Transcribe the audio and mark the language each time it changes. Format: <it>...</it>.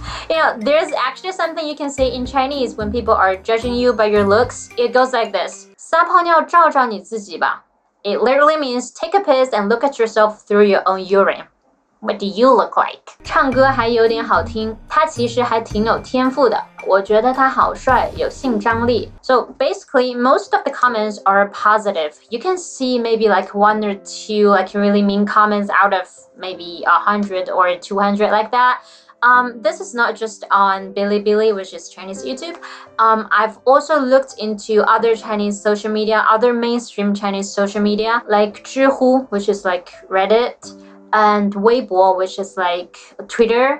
<en>You know, there's actually something you can say in Chinese when people are judging you by your looks. It goes like this.</en> <zh>撒泡尿照照你自己吧.</zh> <en>It literally means take a piss and look at yourself through your own urine. What do you look like?</en> <zh>唱歌还有点好听，他其实还挺有天赋的。我觉得他好帅，有性张力.</zh> <en>So basically, most of the comments are positive. You can see maybe like one or two like really mean comments out of maybe 100 or 200 like that. This is not just on Bilibili, which is Chinese YouTube. I've also looked into other Chinese social media, other mainstream Chinese social media, like Zhihu, which is like Reddit, and Weibo, which is like Twitter.</en>